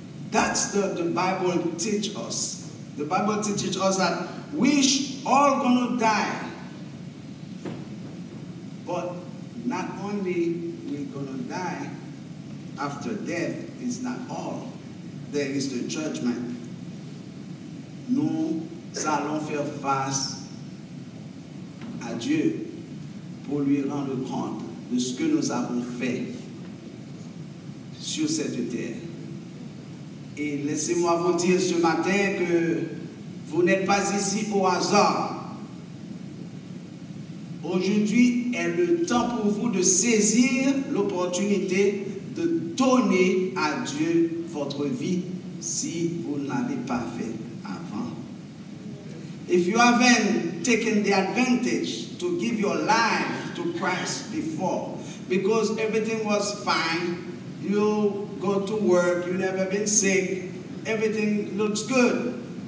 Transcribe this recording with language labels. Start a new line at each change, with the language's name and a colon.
English: That's the Bible teach us. The Bible teaches us that we all going to die. But not only we going to die, after death is not all. There is the judgment. No.
French: Nous allons faire face à Dieu pour lui rendre compte de ce que nous avons fait sur cette terre. Et laissez-moi vous dire ce matin que vous n'êtes pas ici au hasard. Aujourd'hui est le temps pour vous de saisir l'opportunité de donner à Dieu votre vie si vous ne l'avez pas fait.
English: If you haven't taken the advantage to give your life to Christ before, because everything was fine, you go to work, you never been sick, everything looks good.